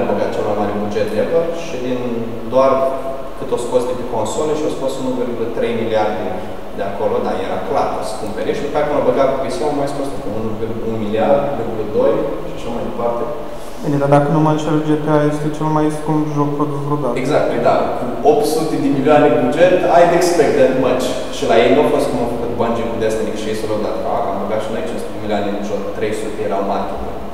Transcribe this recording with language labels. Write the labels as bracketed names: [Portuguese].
[Romanian] au băgat cel mai mare buget de [English] ever [Romanian] și din doar cât o scos de pe console și o scos 1,3 miliarde de acolo, dar era clar că o să cumpere și după aceea când o băga cu PC-ul, mai scos de 1,2 miliard și așa mai departe. Bine, dar dacă nu mă înșel, GTA este cel mai scump joc produs vreodată. Exact, da. Cu 800 de milioane buget, [English] I'd expect that much. [Romanian] Și la ei nu a fost cum au făcut Bungie cu Destiny și ei s-au luat, dar am băgat și noi 500 milioane în joc, 300 erau marketing.